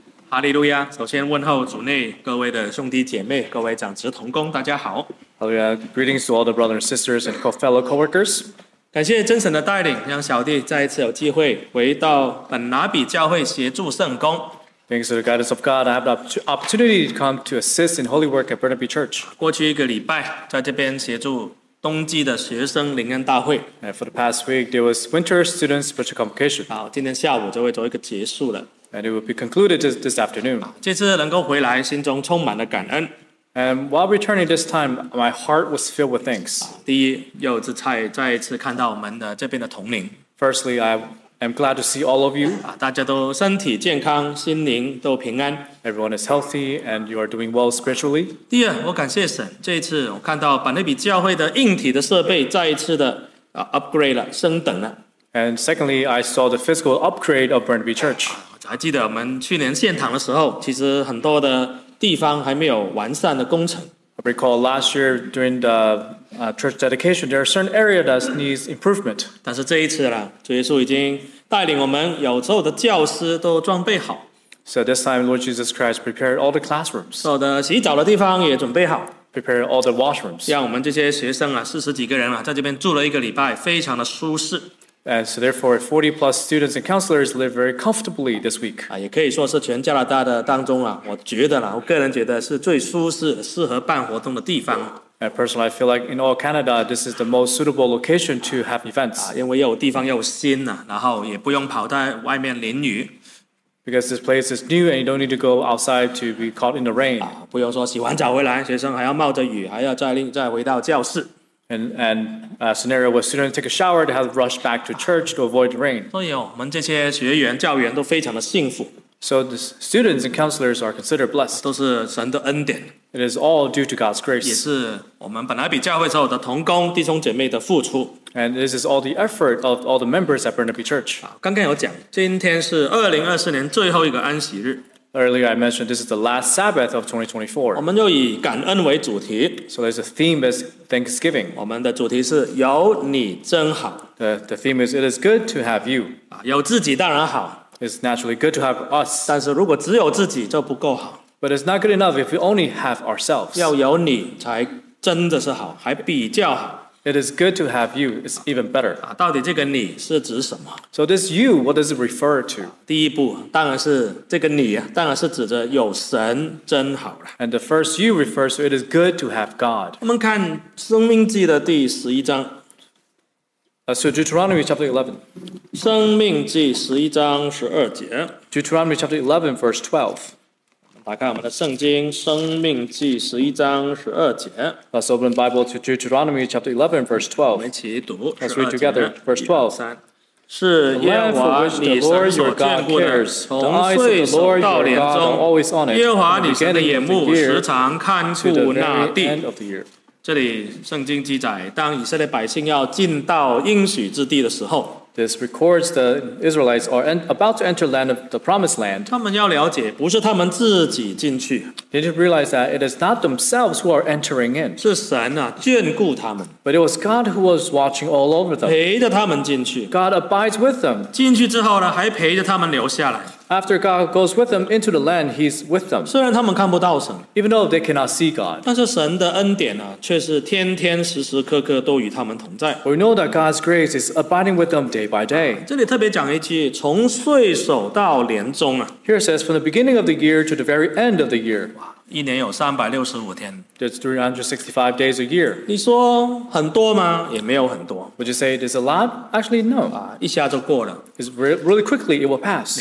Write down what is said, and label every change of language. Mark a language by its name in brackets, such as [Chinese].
[Chinese] 哈利路亚，首先问候主内各位的兄弟姐妹，各位长职同工，大家好。 [English] Hallelujah. Greetings to all the brothers and sisters and fellow co-workers. [Chinese] 感谢真神的带领，让小弟再一次有机会回到本拿比教会协助圣工。 [English] Thanks to the guidance of God, I have the opportunity to come to assist in holy work at Burnaby Church. [Chinese] 过去一个礼拜，在这边协助冬季的学生灵恩大会。 [English] And for the past week, there was winter students' spiritual convocation. [Chinese] 好，今天下午就会做一个结束了。 [English] And it will be concluded this afternoon. [Chinese] 这次能够回来，心中充满了感恩。 [English] And while returning this time, my heart was filled with thanks. [Chinese] 第一，又再一次看到我们的这边的同龄。 [English] Firstly, I am glad to see all of you. [Chinese] 大家都身体健康，心灵都平安。 [English] Everyone is healthy, and you are doing well spiritually. [Chinese] 第二，我感谢神，这一次我看到本内比教会的硬体的设备再一次的 upgrade 了，升等了。 [English] And secondly, I saw the physical upgrade of Burnaby Church. [Chinese] 还记得我们去年献堂的时候，其实很多的地方还没有完善的工程。 [English] I recall last year during the church dedication, there are certain areas that needs improvement. [Chinese] 但是这一次呢，主耶稣已经带领我们，有所有的教师都装备好。 [English] So this time, Lord Jesus Christ prepared all the classrooms. [Chinese] 所有的洗澡的地方也准备好。 [English] Prepared all the washrooms. [Chinese] 让我们这些学生啊，四十几个人啊，在这边住了一个礼拜，非常的舒适。 [English] And so therefore, 40 plus students and counselors live very comfortably this week. [Chinese] 也可以说是全加拿大的当中啊，我觉得啦，我个人觉得是最舒适、适合办活动的地方。 [English] And personally, I feel like in all Canada, this is the most suitable location to have events. [Chinese] 因为又有地方又有新呐，然后也不用跑在外面淋雨。 [English] Because this place is new and you don't need to go outside to be caught in the rain. [Chinese] 不用说洗完澡回来，学生还要冒着雨，还要再回到教室。 [English] And a scenario where students take a shower, they have to rush back to church to avoid rain. [Chinese] 所以我们这些学员、教员都非常的幸福。 [English] So the students and counselors are considered blessed. [Chinese] 都是神的恩典。 [English] It is all due to God's grace. [Chinese] 也是我们本来比教会所有的同工、弟兄姐妹的付出。 [English] And this is all the effort of all the members at Burnaby Church. [Chinese] 刚刚有讲，今天是2024年最后一个安息日。 [English] Earlier, I mentioned this is the last Sabbath of 2024. [Chinese] 我们就以感恩为主题。 [English] So there's a theme as Thanksgiving. [Chinese] 我们的主题是有你真好。 [English] The theme is it is good to have you. [Chinese] 有自己当然好。 [English] It's naturally good to have us. [Chinese] 但是如果只有自己就不够好。 [English] But it's not good enough if we only have ourselves. [Chinese] 要有你才真的是好，还比较好。 [English] It is good to have you. It's even better. [Chinese] 到底这个你是指什么？ [English] So this you, what does it refer to? [Chinese] 第一步，当然是这个你，当然是指着有神真好了。 [English] And the first you refers to it is good to have God. [Chinese] 我们看生命记的第十一章。 [English] So Deuteronomy chapter 11. [Chinese] 生命记十一章十二节。 [English] Deuteronomy chapter 11 verse 12. [Chinese] 打开我们的圣经，生命记十一章十二节。 [English] Let's open the Bible to Deuteronomy chapter 11, verse 12. [Chinese] 我们一起读。 [English] Let's read together, verse 12. [Chinese] 是耶和华你神所眷顾的，从岁首到年终，耶和华你神的眼目时常看顾那地。这里圣经记载，当以色列百姓要进到应许之地的时候。 [English] This records the Israelites are about to enter land of the promised land. [Chinese] 他们要了解，不是他们自己进去。 [English] They need to realize that it is not themselves who are entering in. [Chinese] 是神啊，眷顾他们。 [English] But it was God who was watching all over them. [Chinese] 陪着他们进去。 [English] God abides with them. [Chinese] 进去之后呢，还陪着他们留下来。 [English] After God goes with them into the land, He's with them. [Chinese] 虽然他们看不到神。 [English] Even though they cannot see God. [Chinese] 但是神的恩典呢，却是天天时时刻刻都与他们同在。 [English] We know that God's grace is abiding with them day by day. [Chinese] 这里特别讲一句，从岁首到年终啊。 [English] Here it says, from the beginning of the year to the very end of the year. [Chinese] 一年有365天。 [English] That's 365 days a year. [Chinese] 你说很多吗？也没有很多。 [English] Would you say it is a lot? Actually, no. [Chinese] 一下就过了。 [English] It's really quickly, it will pass.